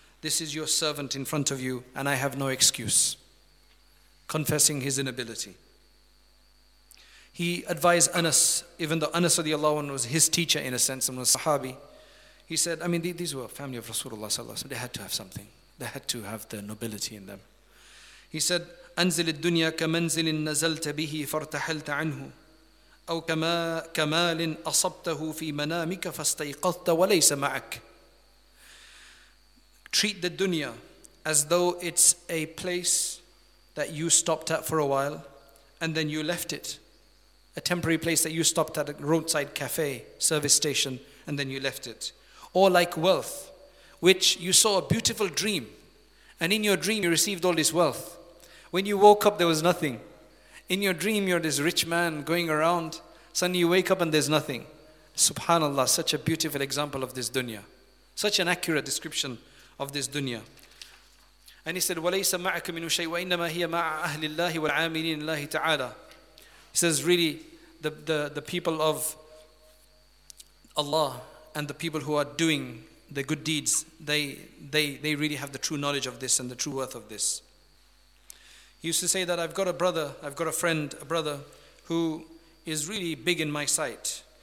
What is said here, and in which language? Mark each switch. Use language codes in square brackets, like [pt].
[en] This is your servant in front of you and I have no excuse. Confessing his inability. He advised Anas, even though Anas radiallahu anhu was his teacher in a sense and was Sahabi. He said, I mean, these were family of Rasulullah sallallahu alaihi wasallam. They had to have something. They had to have the nobility in them. He said, [ar] أنزل الدنيا كمنزل نزلت به فارتحلت عنه أو كما كمال أصبته في منامك فاستيقظت وليس معك. [en] Treat the dunya as though it's a place that you stopped at for a while and then you left it. A temporary place that you stopped at a roadside cafe, service station, and then you left it. Or like wealth, which you saw a beautiful dream and in your dream you received all this wealth. When you woke up, there was nothing. In your dream, you're this rich man going around. Suddenly you wake up and there's nothing. Subhanallah, such a beautiful example of this dunya. Such an accurate description of this dunya. And he said, [ar] وَلَيْسَ مَعَكَ مِنُ شَيْءٍ وَإِنَّمَا هِيَ مَعَ أَهْلِ اللَّهِ وَالْعَامِلِينَ اللَّهِ تَعَالَى. [en] He says, really, the people of Allah and the people who are doing the good deeds, they really have the true knowledge of this and the true worth of this. He used to say that I've got a friend, a brother, who is really big in my sight.